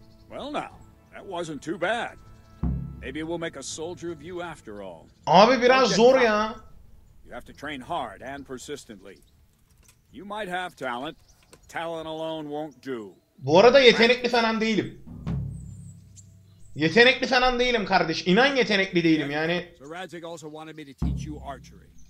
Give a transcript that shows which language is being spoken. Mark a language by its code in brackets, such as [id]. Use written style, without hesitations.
[en] Well now, that wasn't too bad. Maybe we'll make a soldier of you after all. [tr] Abi biraz zor ya. [en] You have to train hard and persistently. You might have talent, but talent alone won't do. [tr] Bu arada yetenekli falan değilim. Yetenekli falan değilim kardeş. İnan yetenekli değilim yani. [en] So Radzik also wanted me to teach you archery.